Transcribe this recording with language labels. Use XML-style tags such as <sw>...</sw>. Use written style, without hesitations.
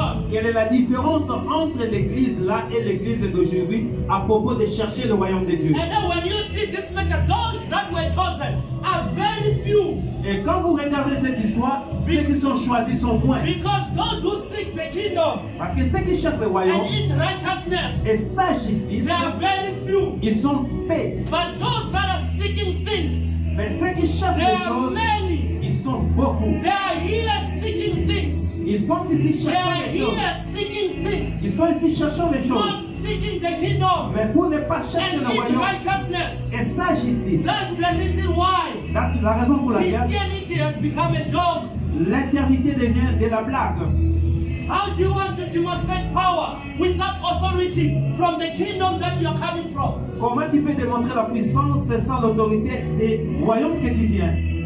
<fr>Quelle est la différence entre l'église là et l'église d'aujourd'hui à propos de chercher le royaume de Dieu?</fr> <en>And then when you see this matter, those that were chosen are very few.</en> <fr>Et quand vous regardez cette histoire, ceux qui sont choisis sont moins.</fr> <en>Because those who seek the kingdom,</en> <fr>parce que ceux qui cherchent le royaume</fr> <en>and its righteousness,</en> <fr>et sa justice,</fr> <en>they are very few.</en> <fr>Ils sont peu.</fr> <en>But those that are seeking things,</en> <fr>mais ceux qui cherchent les choses,</fr> <en>many.</en> <fr>Ils sont beaucoup.</fr> <en>They are here seeking things.</en> <fr>Ils sont ici cherchant les choses.</fr> <en>They are here seeking things.</en> <fr>Ils sont ici cherchant les choses.</fr> <en>Not seeking the kingdom.</en> <fr>Mais pour ne pas chercher le royaume.</fr> <en>And its righteousness.</en> <fr>Et sa justice.</fr> <en>That's the reason why.</en> <fr>That's la raison pour laquelle.</fr> <en>Christianity has become a joke.</en> <fr>L'éternité devient de la blague.</fr> <en>How do you want to demonstrate power without authority from the kingdom that you are coming from?</en> <fr>Comment tu peux démontrer la puissance sans l'autorité du royaume que tu viens?</fr>